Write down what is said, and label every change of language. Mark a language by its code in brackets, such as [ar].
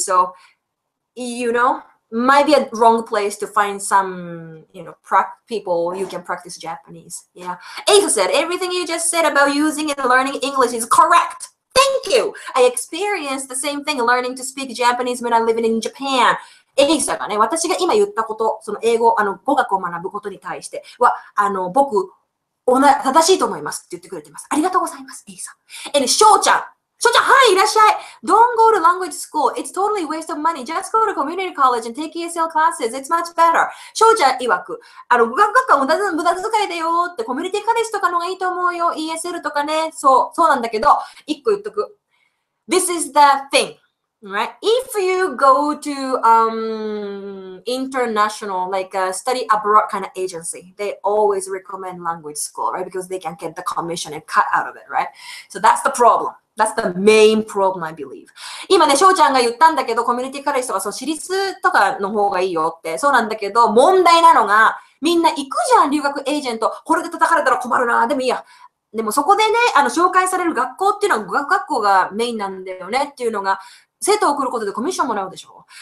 [en] So, you know, might be a wrong place to find some, you know, people you can practice Japanese. Yeah. Aiko said, everything you just said about using and learning English is correct. Thank you. I experienced the same thing learning to speak Japanese when I was living in Japan. [ja] エリサがね、私が今言ったこと、その英語、語学を学ぶことに対しては、僕、正しいと思いますって言ってくれてます。ありがとうございます、エリサ。え、翔ちゃん、はい、いらっしゃい。 [en] Don't go to language school. It's totally waste of money. Just go to community college and take ESL classes. It's much better. [ja] 翔ちゃん曰く、語学学校は無駄遣いだよって、コミュニティカレッジとかの方がいいと思うよ。 ESL とかね。そうなんだけど、一個言っとく。 [en] This is the thing. Right. If you go to international, like a study abroad kind of agency, they always recommend language school, right? Because they can get the commission and cut out of it, right? So that's the problem. That's the main problem, I believe. [ja] 今ね、翔ちゃんが言ったんだけど、コミュニティカレッジとか、その私立とかの方がいいよって、そうなんだけど、問題なのが、みんな行くじゃん、留学エージェント。これで叩かれたら困るな。でもいいや。でもそこでね、紹介される学校っていうのは、語学学校がメインなんだよねっていうのが、生徒を送ることでコミッションもらうでしょ。